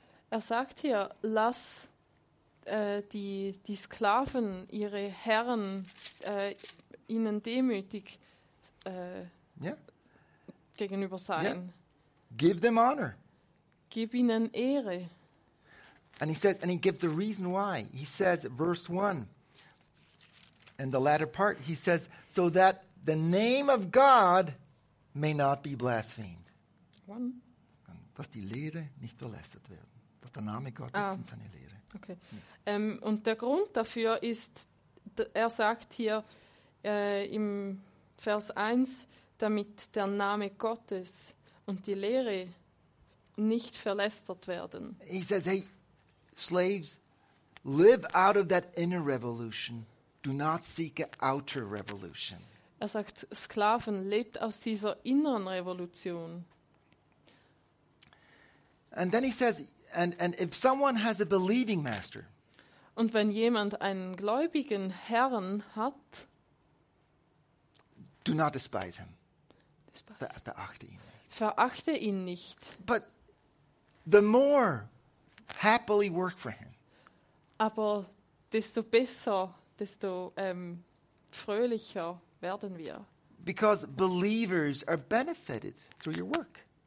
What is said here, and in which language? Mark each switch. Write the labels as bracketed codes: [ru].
[de] Er sagt hier, lass die Sklaven ihre Herren ihnen demütig gegenüber sein. [en] Yeah. Give them honor. [de] Gib ihnen Ehre. [en] And he says, and he gives the reason why. He says, verse 1, in the latter part, he says, so that the name of God may not be blasphemed. [de] Dass die Lehre nicht verlästert werden. Dass der Name Gottes und seine Lehre. Okay. Ja. Und der Grund dafür ist, er sagt hier im Vers 1, damit der Name Gottes und die Lehre nicht verlästert werden. [en] He says, hey, slaves, live out of that inner revolution. Do not seek an outer revolution. [de] Er sagt, Sklaven, lebt aus dieser inneren Revolution. [en] And then he says, and if someone has a believing master. [de] Und wenn jemand einen gläubigen Herrn hat, [en] do not despise him. [de] Verachte ihn nicht. Verachte ihn nicht. [en] But the more happily work for him. [de] Aber desto besser, desto fröhlicher werden wir. [en] Because believers are benefited through your work.